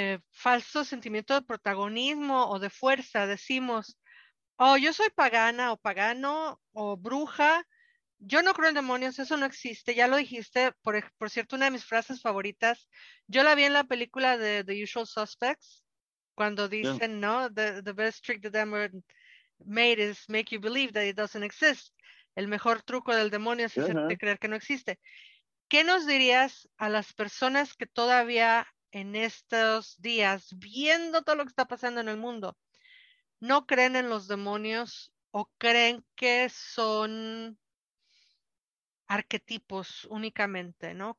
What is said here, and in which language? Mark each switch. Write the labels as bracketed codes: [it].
[es] falso sentimiento de protagonismo o de fuerza, decimos, oh, yo soy pagana o pagano o bruja, yo no creo en demonios, eso no existe, ya lo dijiste, por cierto, una de mis frases favoritas, yo la vi en la película de The Usual Suspects, cuando dicen, ¿no? [en] The best trick the demon made is make you believe that it doesn't exist. [es] El mejor truco del demonio es hacerte creer que no existe. ¿Qué nos dirías a las personas que todavía en estos días, viendo todo lo que está pasando en el mundo, no creen en los demonios o creen que son arquetipos únicamente, ¿no?